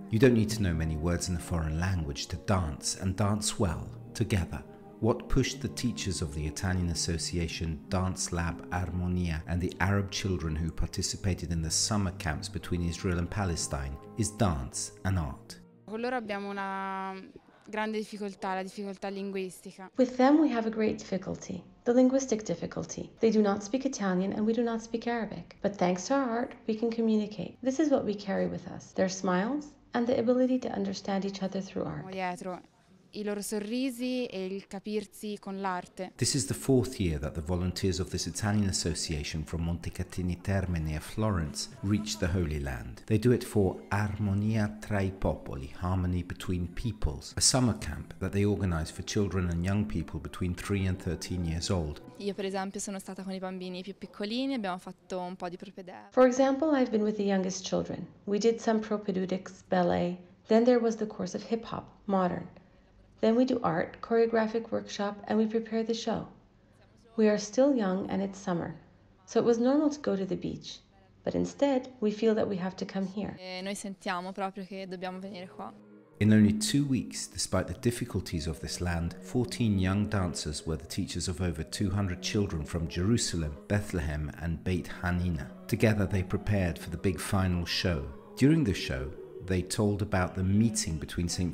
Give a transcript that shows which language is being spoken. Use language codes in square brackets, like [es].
[en] You don't need to know many words in a foreign language to dance, and dance well, together. What pushed the teachers of the Italian association DanceLab Armonia and the Arab children who participated in the summer camps between Israel and Palestine is dance and art. [it] Con loro abbiamo una grande difficoltà, la difficoltà linguistica. [en] With them we have a great difficulty, the linguistic difficulty. They do not speak Italian and we do not speak Arabic. But thanks to our art, we can communicate. This is what we carry with us, their smiles and the ability to understand each other through art. [it] Dietro I loro sorrisi e il capirsi con l'arte. [en] This is the fourth year that the volunteers of this Italian association from Montecatini Terme near Florence reach the Holy Land. They do it for Armonia tra I Popoli, Harmony Between Peoples, a summer camp that they organize for children and young people between 3 and 13 years old. [it] Io per esempio sono stata con I bambini più piccolini, abbiamo fatto un po' di propedeutica. [en] For example, I've been with the youngest children. We did some propedeutics, ballet, then there was the course of hip-hop, modern. Then we do art, choreographic workshop, and we prepare the show. We are still young and it's summer, so it was normal to go to the beach. But instead, we feel that we have to come here. [it] E noi sentiamo proprio che dobbiamo venire qua. [en] In only 2 weeks, despite the difficulties of this land, 14 young dancers were the teachers of over 200 children from Jerusalem, Bethlehem and Bethanine. Together they prepared for the big final show. During the show, they told about the meeting between St.